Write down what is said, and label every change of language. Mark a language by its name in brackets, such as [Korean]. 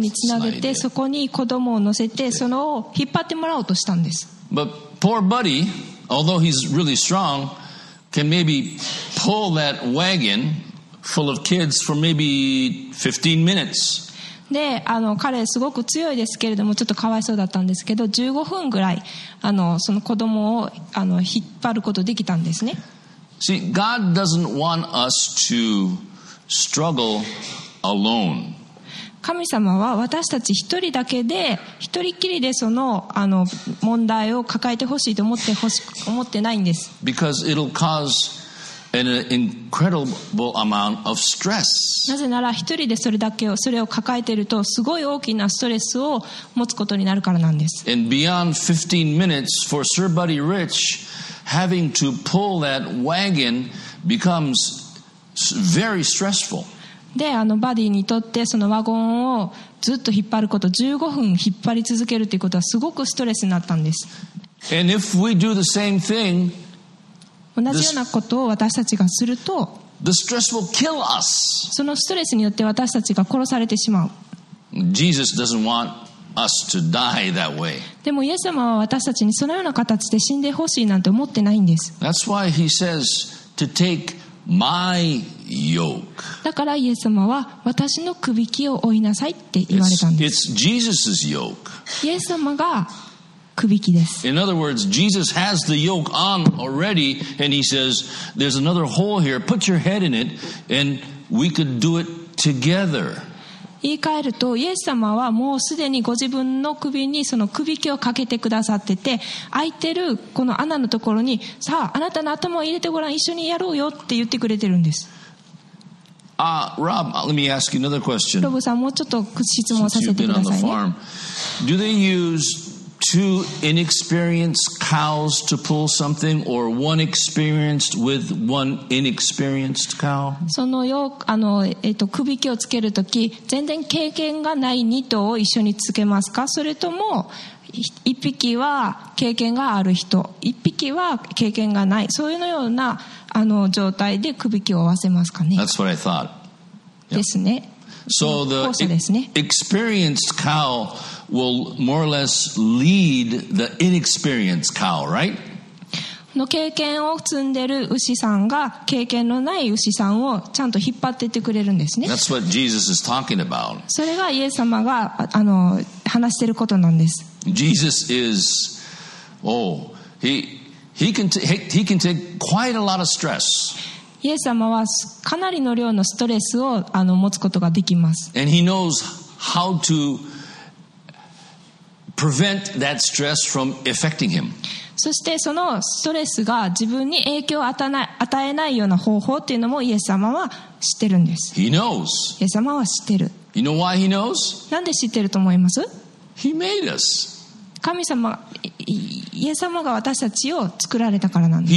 [Japanese] につなげてそこに子供を乗せてそのを引っ張ってもらおうとしたんです。 [English] But poor buddy, although he's really strong, can maybe pull that wagon full of kids for maybe 15 minutes. [Japanese] で彼すごく強いですけれどもちょっとかわいそうだったんですけど15分ぐらいその子供を引っ張ることできたんですね。 [English] See, God doesn't want us to struggle alone. [Japanese] 神様は私たち一人だけで一人きりでその問題を抱えてほしいと思ってないんです。 [English] Because it'll causeAn incredible amount of stress. [Japanese] なぜなら一人でそれを抱えているとすごい大きなストレスを持つことになるからなんです。 [English] And beyond 15 minutes for Sir Buddy Rich, having to pull that wagon becomes very stressful. [Japanese] で、バディにとってそのワゴンをずっと引っ張ること、15分引っ張り続けるということはすごくストレスになったんです。 [English] And if we do the same thing, [Japanese] 同じようなことを私たちがすると [English] the stress will kill us. [Japanese] そのストレスによって私たちが殺されてしまう。 [English] Jesus doesn't want us to die that way. [Japanese] でもイエス様は私たちにそのような形で死んでほしいなんて思ってないんです。 [English] That's why he says to take my yoke. [Japanese] だからイエス様は私の首輝きを負いなさいって言われたんです。 [English] it's Jesus's yoke. [Japanese] イエス様が [English] In other words, Jesus has the yoke on already, and he says, there's another hole here, put your head in it, and we could do it together. [Japanese] 言い換えると、イエス様はもうすでにご自分の首にその首輝をかけてくださってて、空いてるこの穴のところに、さあ、あなたの頭を入れてごらん、一緒にやろうよって言ってくれてるんです。 [English] Rob, let me ask you another question. [Japanese] ロブさん、もうちょっと質問をさせてくださいね。 [English] Do they use two inexperienced cows to pull something, or one experienced with one inexperienced cow? [Japanese] そのよくあの、首輝をつけるとき、全然経験がない2頭を一緒につけますか？それとも一匹は経験がある人、一匹は経験がない、そういうようなあの状態で首輝を合わせますかね。 [English] That's what I thought. [Japanese] ですね。 [English] So the experienced cow will more or less lead the inexperienced cow, right? [Japanese] の経験を積んでる牛さんが経験のない牛さんをちゃんと引っ張っていってくれるんですね。 [English] That's what Jesus is talking about. [Japanese] それがイエス様があの話していることなんです。 [English] Jesus is, he can take quite a lot of stress. [Japanese] イエス様はかなりの量のストレスをあの持つことができます。 [English] And he knows how to prevent that stress from affecting him. [Japanese] そしてそのストレスが自分に影響を与えないような方法っていうのもイエス様は知ってるんです。 [English] He knows. [Japanese] イエス様は知ってる。 [English] You know why he knows? [Japanese] なんで知ってると思います？ [English] He made us. [Japanese] 神様、イエス様が私たちを作られたからなんです。